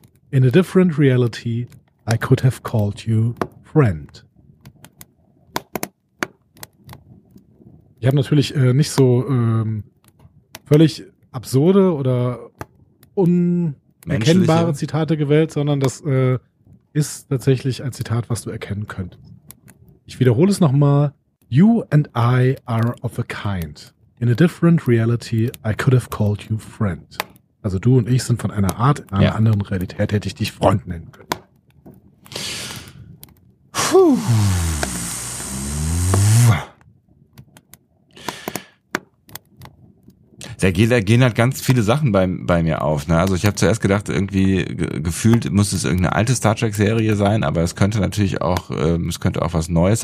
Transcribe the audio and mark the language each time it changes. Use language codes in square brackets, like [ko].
[en] In a different reality, I could have called you friend. [de] Ich habe natürlich nicht so völlig absurde oder unerkennbare Zitate gewählt, sondern das ist tatsächlich ein Zitat, was du erkennen könntest. Ich wiederhole es nochmal. [en] You and I are of a kind. In a different reality, I could have called you friend. [de] Also du und ich sind von einer Art, in einer anderen Realität hätte ich dich Freund nennen können. Puh. Da gehen halt ganz viele Sachen bei mir auf. Ne? Also ich habe zuerst gedacht, irgendwie gefühlt muss es irgendeine alte Star Trek Serie sein, aber es könnte natürlich auch es könnte auch was Neues.